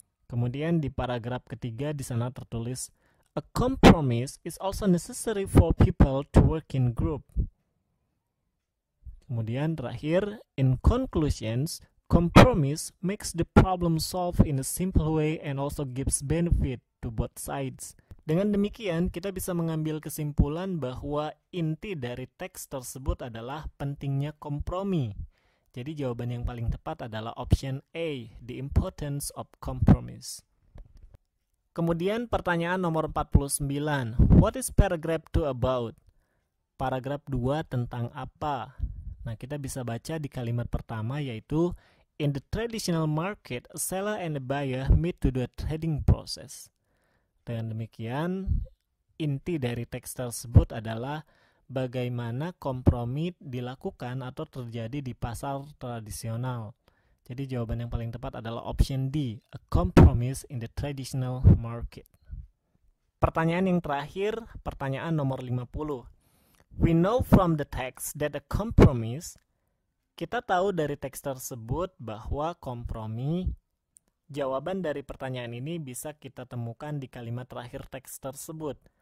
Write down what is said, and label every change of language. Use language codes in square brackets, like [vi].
[id] Kemudian di paragraf ketiga di sana tertulis, [en] a compromise is also necessary for people to work in group. [id] Kemudian terakhir, [en] in conclusions, compromise makes the problem solve in a simple way and also gives benefit to both sides. [id] Dengan demikian, kita bisa mengambil kesimpulan bahwa inti dari teks tersebut adalah pentingnya kompromi. Jadi jawaban yang paling tepat adalah option A, [en] the importance of compromise. [id] Kemudian pertanyaan nomor 49, [en] what is paragraph 2 about? [id] Paragraf 2 tentang apa? Nah, kita bisa baca di kalimat pertama yaitu [en] in the traditional market, a seller and a buyer meet to do a trading process. [id] Dengan demikian, inti dari teks tersebut adalah bagaimana kompromi dilakukan atau terjadi di pasar tradisional. Jadi jawaban yang paling tepat adalah option D, [en] a compromise in the traditional market. [id] Pertanyaan yang terakhir, pertanyaan nomor 50. [en] We know from the text that a compromise. [id] Kita tahu dari teks tersebut bahwa kompromi. Jawaban dari pertanyaan ini bisa kita temukan di kalimat terakhir teks tersebut.